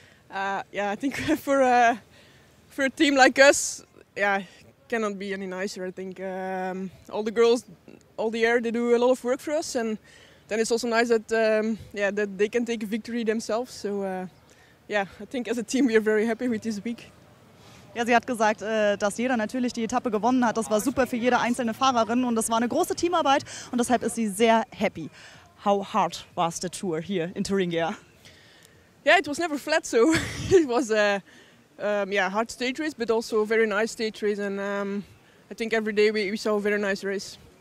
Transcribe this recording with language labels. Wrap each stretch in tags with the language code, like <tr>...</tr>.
<en>I think for a team like us, yeah, cannot be any nicer. I think all the girls, all the air, they do a lot of work for us, and then it's also nice that that they can take a victory themselves. So I think as a team we are very happy with this week.</en> <de>Ja, sie hat gesagt, dass jeder natürlich die Etappe gewonnen hat. Das war super für jede einzelne Fahrerin und das war eine große Teamarbeit und deshalb ist sie sehr happy.</de> <en>How hard was the tour here in Thuringia? Yeah, it was never flat, so it was a hard stage race, but also a very nice stage race, and I think every day we saw a very nice race.</en>